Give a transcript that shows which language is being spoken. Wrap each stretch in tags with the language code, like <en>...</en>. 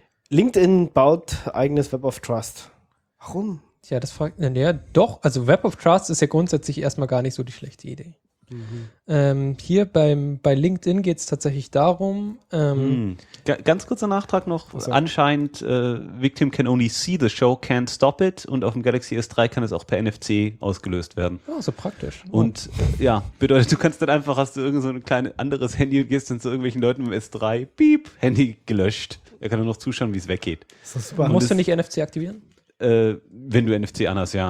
<de>LinkedIn baut eigenes Web of Trust. Warum? Ja, das fragt. Ja, doch. Also, Web of Trust ist ja grundsätzlich erstmal gar nicht so die schlechte Idee. Mhm. Hier bei LinkedIn geht es tatsächlich darum. Ganz kurzer Nachtrag noch. Also. Anscheinend,</de> <en>Victim can only see the show, can't stop it.</en> <de>Und auf dem Galaxy S3 kann es auch per NFC ausgelöst werden. Ja, so praktisch. Und bedeutet, du kannst dann einfach, hast du irgend so ein kleines anderes Handy und gehst dann zu irgendwelchen Leuten mit dem S3, piep, Handy gelöscht. Er kann nur noch zuschauen, wie es weggeht. Das ist super. Musst du nicht NFC aktivieren? Wenn du NFC an hast, ja.</de>